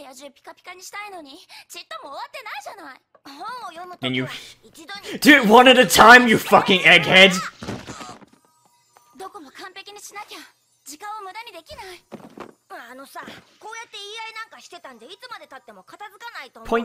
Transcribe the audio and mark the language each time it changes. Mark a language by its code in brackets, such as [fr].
[ja] 部屋中ピカピカにしたいのに、ちっとも終わってないじゃない。本を読むときは一度に。 [en] Do it one at a time, you fucking egghead! [ja] どこも完璧にしなきゃ、時間を無駄にできない。あのさ、こうやって言い合いなんかしてたんで、いつまで経っても片付かないと思う。